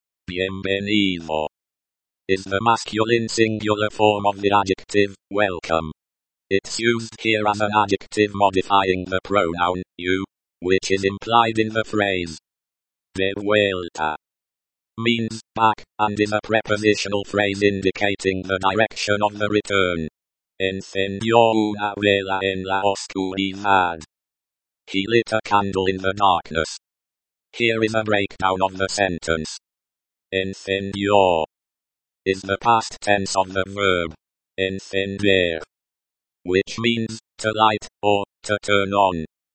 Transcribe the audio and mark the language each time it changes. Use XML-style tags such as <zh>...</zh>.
<en>Bienvenido is the masculine singular form of the adjective, welcome. It's used here as an adjective modifying the pronoun, you, which is implied in the phrase. De vuelta means back, and is a prepositional phrase indicating the direction of the return.</en> <es>Encendió una vela en la oscuridad.</es> <en>He lit a candle in the darkness. Here is a breakdown of the sentence. Encendió is the past tense of the verb encender, which means to light or to turn on.</en>